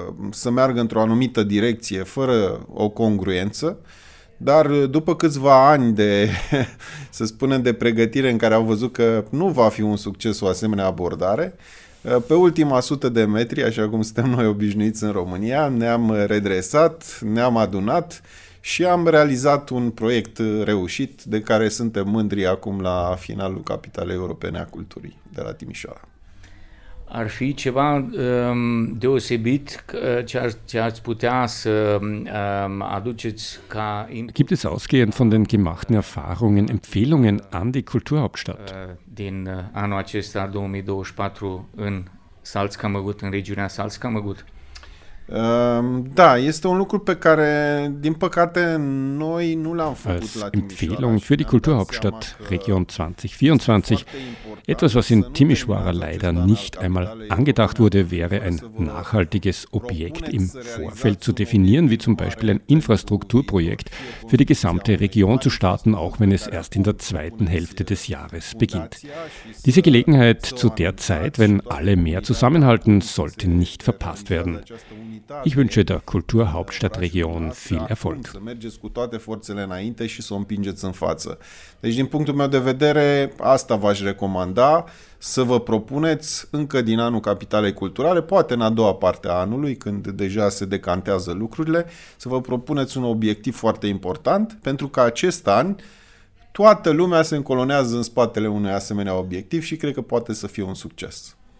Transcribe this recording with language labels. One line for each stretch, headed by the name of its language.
Romanian: Să meargă într-o anumită direcție fără o congruență, dar după câțiva ani de, să spunem, de pregătire în care au văzut că nu va fi un succes o asemenea abordare, pe ultima sută de metri, așa cum suntem noi obișnuiți în România, ne-am redresat, ne-am adunat și am realizat un proiect reușit de care suntem mândri acum la finalul Capitalei Europene a Culturii de la Timișoara. Ar fi ceva deosebit ce ați putea să aduceți ca...
German: Gibt es ausgehend von den gemachten Erfahrungen Empfehlungen an die Kulturhauptstadt?
Romanian: Din anul acesta 2024 în Salzkammergut, în regiunea Salzkammergut. Da, este un lucru pe care, din păcate, noi nu l-am făcut
German: als la Empfehlung für die Kulturhauptstadt Region 2024. Etwas, was in Timișoara leider nicht einmal angedacht wurde, wäre ein nachhaltiges Objekt im Vorfeld zu definieren, wie zum Beispiel ein Infrastrukturprojekt für die gesamte Region zu starten, auch wenn es erst in der zweiten Hälfte des Jahres beginnt. Diese Gelegenheit zu der Zeit, wenn alle mehr zusammenhalten, sollte nicht verpasst werden. Ich wünsche der Kulturhauptstadtregion viel Erfolg.
Romanian: Să mergeți cu toate forțele înainte și să o împingeți în față. Deci, din punctul meu de vedere, asta v-aș recomanda, să vă propuneți încă din anul Capitalei Culturale, poate în a doua parte a anului, când deja se decantează lucrurile, să vă propuneți un obiectiv foarte important, pentru că acest an toată lumea se încolonează în spatele unui asemenea obiectiv și cred că poate să fie un succes.